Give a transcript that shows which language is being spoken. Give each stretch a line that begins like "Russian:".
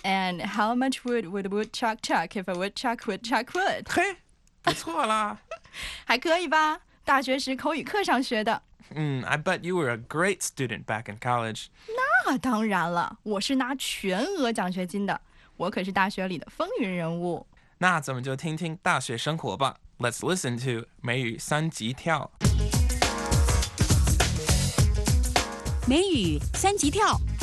English: And how much wood would a woodchuck chuck if a woodchuck would chuck wood?
Chinese: 嘿，不错啦。还可以吧，大学时口语课上学的。
English: I bet you were a great student back in college.
Chinese: 那当然了，我是拿全额奖学金的，我可是大学里的风云人物。那咱们就听听大学生活吧。
English: Let's listen to 美语三级跳。
Chinese: 美语三级跳，